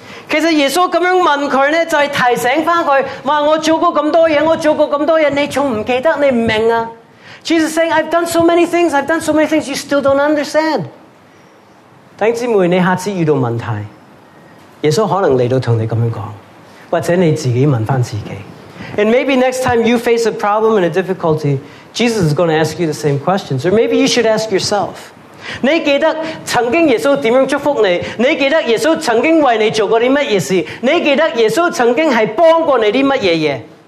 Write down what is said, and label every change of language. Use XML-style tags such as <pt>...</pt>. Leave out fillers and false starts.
<zh>其实耶稣这样问他呢，就是提醒他，我做过这么多事，你还不记得，你不明白啊？</zh> <en>Jesus is saying, I've done so many things, I've done so many things, you still don't understand.</en> <zh>弟兄姊妹，你下次遇到问题， 耶稣可能来到跟你这样说， 或者你自己问自己。</zh> <en>And maybe next time you face a problem and a difficulty, Jesus is going to ask you the same questions. Or maybe you should ask yourself.</en> <zh>你记得曾经耶稣怎样祝福你， 你记得耶稣曾经为你做过什么事， 你记得耶稣曾经是帮过你什么事。</zh>